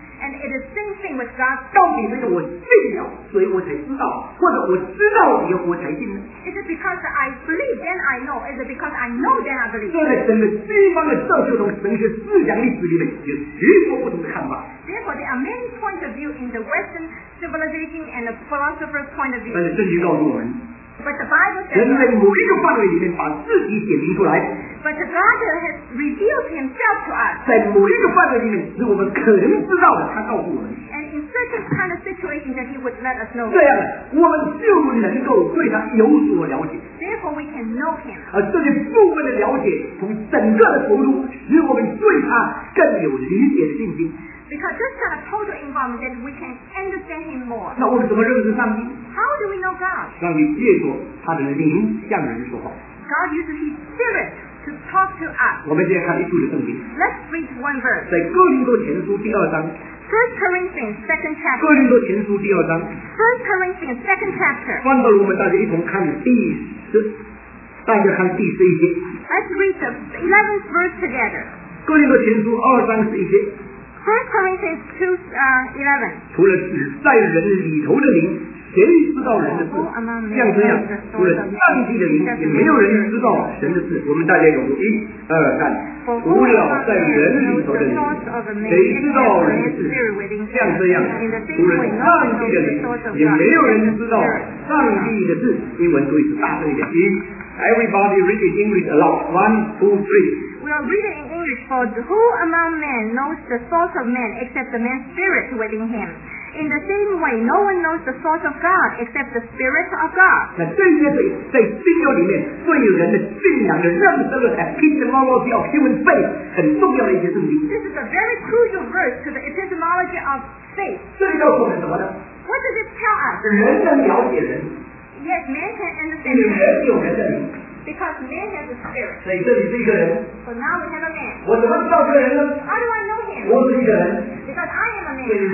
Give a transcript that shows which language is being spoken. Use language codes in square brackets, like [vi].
[en] And it is the same thing with God. [zh] 到底是我信了，所以我才知道，或者我知道以后我才信呢？ [en] Is it because I believe then I know? Is it because I know then I believe? [zh] 在神的西方的教授中，神学思想历史里面有许多不同的看法。 [en] Therefore, there are many points of view in the Western civilization and the philosopher's point of view. [zh] 但是圣经告诉我们。 [en] But the Bible says, [zh] 人在某一个范围里面把自己显明出来。 [en] But the God has revealed himself to us. [zh] 在某一个范围里面是我们可能知道的，他告诉我们。 [en] And in certain kind of situations that he would let us know. [zh] 这样我们就能够对他有所了解。 [en] Therefore we can know him. [zh] 而这些部分的了解从整个的投入使我们对他更有理解的信心。 [en] Because this kind of total involvement, then we can understand him more. [zh] 那我们怎么认识上帝？ [en] How do we know God? [zh] 上帝借着他的灵向人说话。 [en] God uses his spirit to talk to us. [zh] 我们接着看一处的圣经。 [en] Let's read one verse. [zh] 在哥林多前书第二章。 [en] First Corinthians, second chapter. [zh] 哥林多前书第二章。 [en] First Corinthians, second chapter. [zh] 翻到我们大家一同看第十，大家看第十一节。 [en] Let's read the 11th verse together. [zh] 哥林多前书二章十一节。 [en] First Corinthians 2:11. [zh] 除了只在人里头的灵，谁知道人的事？像这样，除了上帝的灵，也没有人知道神的事。我们大家有一、二、三。除了在人里头的灵，谁知道人的事？像这样，除了上帝的灵，也没有人知道上帝的事。英文读一次，大声一点。一 ， [en] Everybody read in English aloud. 1, 2, 3. We are reading. For who among men knows the thoughts of men except the man's spirit within him? In the same way, no one knows the thoughts of God except the spirit of God. [zh] 那这些在信仰里面对于人的信仰的认识的 [en] epistemology of human faith [zh] 很重要的一些东西。 [en] This is a very crucial verse to the epistemology of faith. [zh] 这里告诉我们什么呢？ [en] What does it tell us? [zh] 人的了解人。 [en] Yes, man can understand. Because man has a spirit. So now we have a man. How do I know him? Because I am a man.